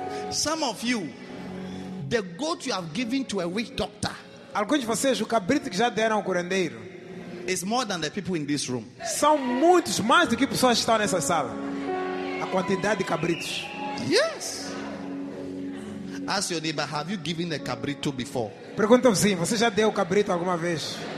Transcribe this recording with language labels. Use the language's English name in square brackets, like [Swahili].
[English] Some of you, the goat you have given to a witch doctor. [Portuguese] Alguns de vocês, o cabrito que já deram ao curandeiro. [English] It's more than the people in this room. [Portuguese] São muitos mais do que pessoas que estão nessa sala. A quantidade de cabritos. [English] Yes. Ask your neighbor, have you given a cabrito before? [Portuguese] Pergunta ao vizinho, você já deu cabrito alguma vez?